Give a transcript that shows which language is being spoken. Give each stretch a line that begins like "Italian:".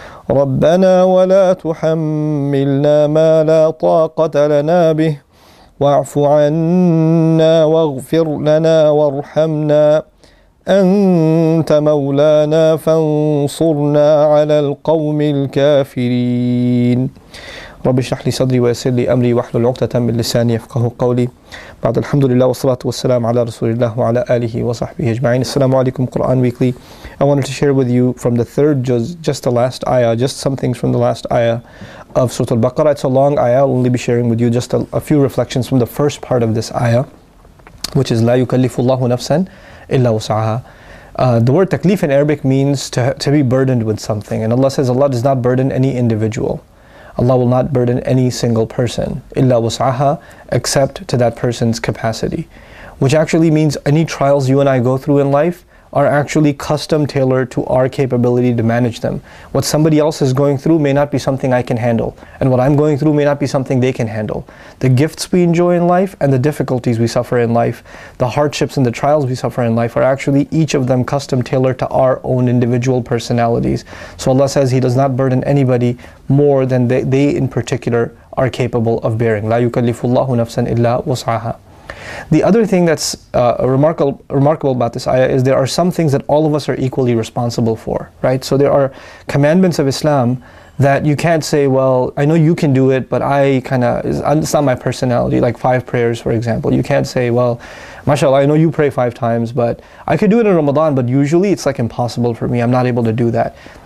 Arabic: ربنا ولا تحملنا ما لا طاقة لنا به واعف عنا واغفر لنا وارحمنا أنت مولانا فانصرنا على القوم الكافرين رب اشرح لي صدري ويسر لي أمري واحلل عقدة من لساني يفقه قولي بعد الحمد لله والصلاة والسلام على رسول الله وعلى آله وصحبه أجمعين السلام عليكم Quran Weekly.
English: I wanted to share with you from the third juz, just the last ayah, just some things from the last ayah of Surah Al-Baqarah. It's a long ayah. I'll only be sharing with you just a few reflections from the first part of this ayah, which is
Arabic: لا يكلف الله نفسا إلا وسعها.
English: The word taklif in Arabic means to be burdened with something. And Allah says Allah does not burden any individual. Allah will not burden any single person.
Arabic: إلا وسعها,
English: except to that person's capacity. Which actually means any trials you and I go through in life are actually custom tailored to our capability to manage them. What somebody else is going through may not be something I can handle. And what I'm going through may not be something they can handle. The gifts we enjoy in life and the difficulties we suffer in life, the hardships and the trials we suffer in life are actually each of them custom tailored to our own individual personalities. So Allah says He does not burden anybody more than they in particular are capable of bearing.
Arabic: لا يكلف الله نفسا إلا وسعها.
English: The other thing that's remarkable about this ayah is there are some things that all of us are equally responsible for, right? So there are commandments of Islam that you can't say, well, I know you can do it, but I kind of, it's not my personality, like five prayers, for example. You can't say, well, mashallah, I know you pray five times, but I could do it in Ramadan, but usually it's like impossible for me, I'm not able to do that.